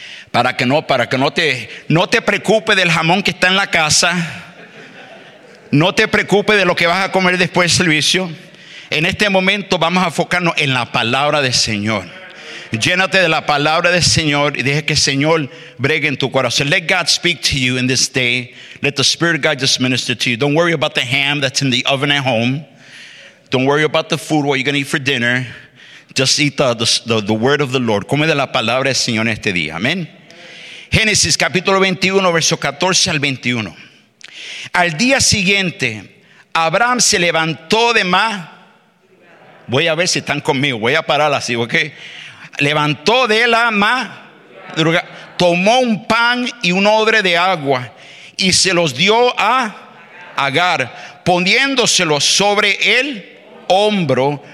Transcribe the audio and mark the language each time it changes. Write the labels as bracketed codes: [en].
[es] Para que no te preocupes del jamón que está en la casa, no te preocupes de lo que vas a comer después del servicio. En este momento vamos a enfocarnos en la palabra del Señor. Llénate de la palabra del Señor y deje que el Señor bregue en tu corazón. [en] Let God speak to you in this day. Let the Spirit of God just minister to you. Don't worry about the ham that's in the oven at home. Don't worry about the food, what you're going to eat for dinner. Just eat the word of the Lord. [es] Come de la palabra del Señor en este día. Amén. Génesis capítulo 21, verso 14 al 21. Al día siguiente, Abraham se levantó de madrugada. Voy a ver si están conmigo. Voy a parar así, ¿ok? Levantó de la madrugada, tomó un pan y un odre de agua y se los dio a Agar, poniéndoselo sobre el hombro.